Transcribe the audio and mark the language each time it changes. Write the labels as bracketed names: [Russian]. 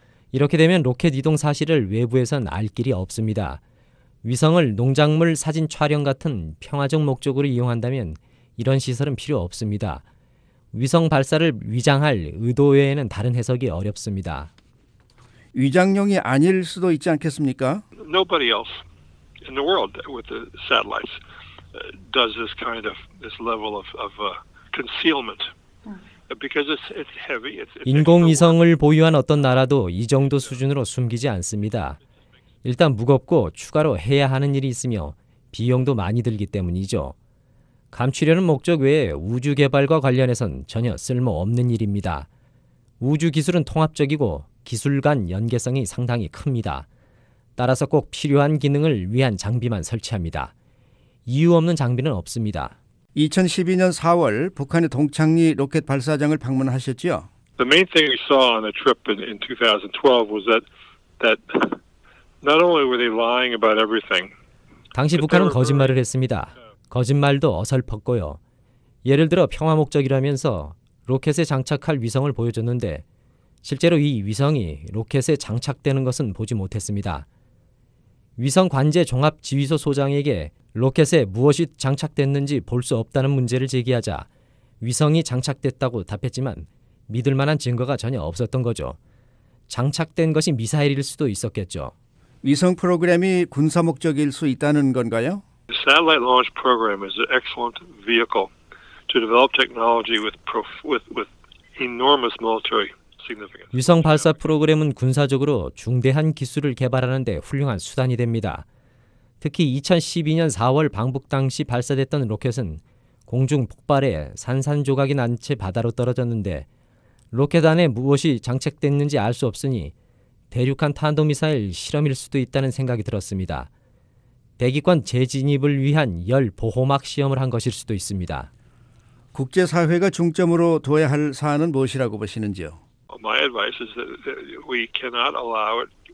[Korean] 이렇게 되면 로켓 이동 사실을 외부에선 알 길이 없습니다. 위성을 농작물 사진 촬영 같은 평화적 목적으로 이용한다면 이런 시설은 필요 없습니다. 위성 발사를 위장할 의도 외에는 다른 해석이 어렵습니다. 위장용이 아닐 수도 있지 않겠습니까? [English] Nobody else in the world with the satellites does this level of concealment. Because it's heavy. [Korean] 인공위성을 보유한 어떤 나라도 이 정도 수준으로 숨기지 않습니다. 일단 무겁고 추가로 해야 하는 일이 있으며 비용도 많이 들기 때문이죠. 감추려는 목적 외에 우주 개발과 관련해선 전혀 쓸모없는 일입니다. 우주 기술은 통합적이고 기술 간 연계성이 상당히 큽니다. 따라서 꼭 필요한 기능을 위한 장비만 설치합니다. 이유 없는 장비는 없습니다. 2012년 4월 북한의 동창리 로켓 발사장을 방문하셨지요? [English] The main thing we saw on a trip in 2012 was that not only were they lying about everything. [Korean] 당시 북한은 거짓말을 했습니다. 거짓말도 어설펐고요. 예를 들어 평화 목적이라면서 로켓에 장착할 위성을 보여줬는데 실제로 이 위성이 로켓에 장착되는 것은 보지 못했습니다. 위성 관제 종합 지휘소 소장에게 로켓에 무엇이 장착됐는지 볼 수 없다는 문제를 제기하자 위성이 장착됐다고 답했지만 믿을 만한 증거가 전혀 없었던 거죠. 장착된 것이 미사일일 수도 있었겠죠. 위성 프로그램이 군사 목적일 수 있다는 건가요? [English] The satellite launch program is an excellent vehicle to develop technology with enormous military significance. [Korean] 위성 발사 프로그램은 군사적으로 중대한 기술을 개발하는 데 훌륭한 수단이 됩니다. 특히 2012년 4월 방북 당시 발사됐던 로켓은 공중 폭발에 산산조각이 난 채 바다로 떨어졌는데 로켓 안에 무엇이 장착됐는지 알 수 없으니 대륙간 탄도미사일 실험일 수도 있다는 생각이 들었습니다. 대기권 재진입을 위한 열 보호막 시험을 한 것일 수도 있습니다. 국제사회가 중점으로 둬야 할 사안은 무엇이라고 보시는지요? [English] My advice is that we cannot allow it